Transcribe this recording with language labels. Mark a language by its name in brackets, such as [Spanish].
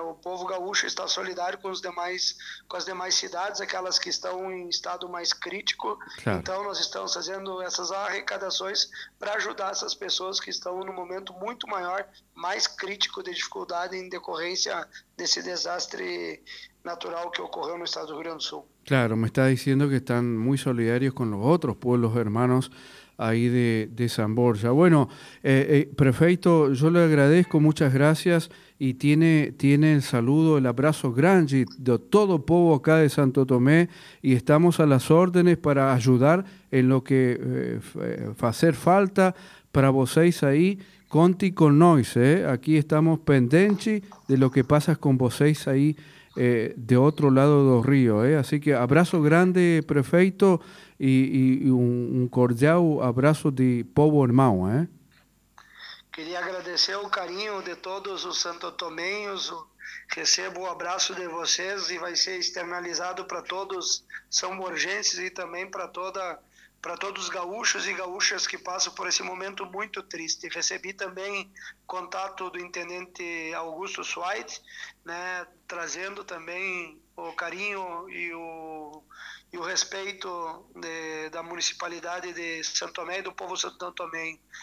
[Portuguese] O povo gaúcho está solidário com os demais, com as demais cidades, aquelas que estão em estado mais crítico. Claro. Então, nós estamos fazendo essas arrecadações para ajudar essas pessoas que estão num momento muito maior, mais crítico de dificuldade em decorrência desse desastre natural que ocorreu no estado do Rio Grande do Sul. [Spanish] Claro, me está diciendo que están muy solidarios con los otros pueblos hermanos ahí de San Borja. Bueno, prefeito, yo le agradezco, muchas gracias, y tiene el saludo, el abrazo grande de todo el pueblo acá de Santo Tomé, y estamos a las órdenes para ayudar en lo que hacer falta para vocês ahí. Conti con nós, aquí estamos pendientes de lo que pasa con vocês ahí, de otro lado del río. Así que abrazo grande, prefeito, y un cordial abrazo de povo hermano. Quería agradecer el cariño de todos los santotomeños. [Portuguese] Recebo o abraço de vocês e vai ser externalizado para todos são borgenses e também para todos os gaúchos e gaúchas que passam por esse momento muito triste. Recebi também contato do intendente Augusto Swite, né, trazendo também o carinho e o respeito da municipalidade de São Tomé e do povo de São Tomé.